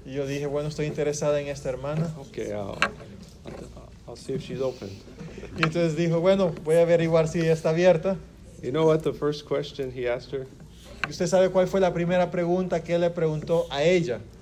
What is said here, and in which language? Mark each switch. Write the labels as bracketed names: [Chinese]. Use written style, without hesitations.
[Spanish] Y yo dije, bueno, estoy interesada en esta hermana. [English] Okay, I'll see if she's open. [Spanish] Y entonces dijo, bueno, voy a averiguar si está abierta. [English] You know what the first question he asked her? [Spanish] ¿Usted sabe cuál fue la primera pregunta que él le preguntó a ella?